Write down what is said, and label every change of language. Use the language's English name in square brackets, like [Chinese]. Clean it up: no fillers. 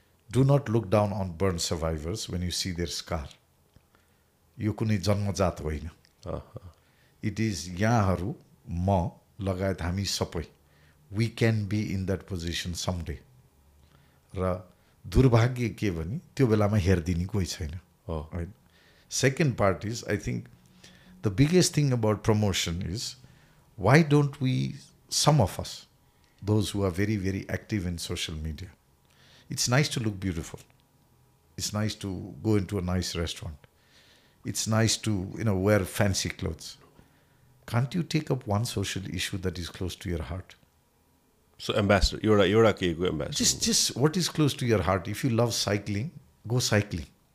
[English] Do not look down on burn survivors when you see their scar. [Nepali] यो कुनै जन्मजात होइन [English] it is [Nepali] यहाँहरू म लगायत हामी सबै [English] we can be in that position someday [Nepali] र दुर्भाग्य के भने त्यो बेलामा हेरिदिने कोही छैन होइन [English] Second part is I think the biggest thing about promotion is why don't we some of us those who are very very active in social media It's nice to look beautiful. it's nice to go into a nice restaurant. It's nice to, you know, wear fancy clothes. Can't you take up one social issue that is close to your heart? So ambassador, you're a key ambassador. Just what is close to your heart? If you love cycling, go cycling.